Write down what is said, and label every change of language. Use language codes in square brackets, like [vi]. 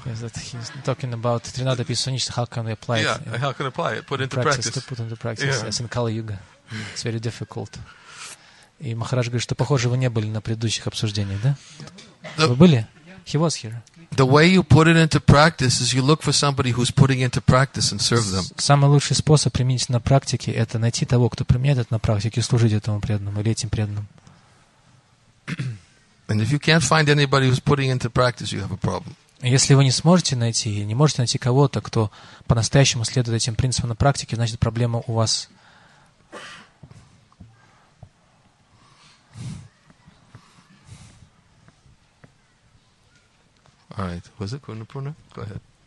[en] Yes, that he's talking about Trinada Pisunich, how can we apply it? Yeah, how can we apply it? Put into practice. To put into practice, yeah. Yes, in Kali Yuga. It's very difficult. [ru] И Махарадж говорит, что, похоже, вы не были на предыдущих обсуждениях, да? Вы были? [en] He was here. The way you put it into practice is you look for somebody who's putting into practice and serve them. [ru] Самый лучший способ применить на практике – это найти того, кто применяет это на практике, и служить этому преданному или этим преданным. [en] And if you can't find anybody who's putting into practice, you have a problem. [ru] Если вы не сможете найти, не можете найти кого-то, кто по-настоящему следует этим принципам на практике, значит, проблема у вас. [en] All right. Was it Kunapurna? Go ahead.